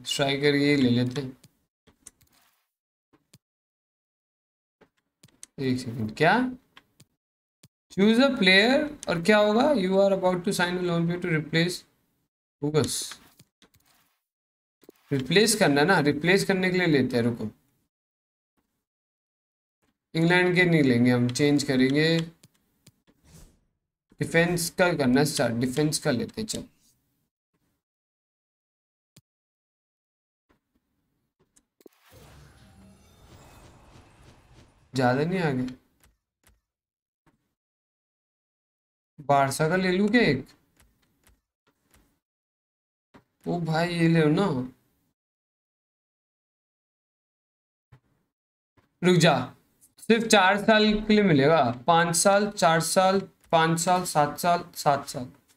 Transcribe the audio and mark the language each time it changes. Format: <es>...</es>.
<hi>Striker ये ले लेते हैं. एक सेकंड क्या?</hi> <en>Choose a player</en> <hi>और क्या होगा?</hi> <en>You are about to sign a loan player to replace Bugas.</en> <hi>Replace करना ना? Replace करने के लिए लेते हैं रुको. इंग्लैंड के नहीं लेंगे हम, चेंज करेंगे. डिफेंस का करना स्टार्ट, डिफेंस का लेते चल. ज्यादा नहीं आगे. बारसा का ले लूं क्या एक? ओ भाई ये ले ना, रुक जा. सिर्फ चार साल के लिए मिलेगा? पांच साल, चार साल, पांच साल, सात साल, सात साल.</hi>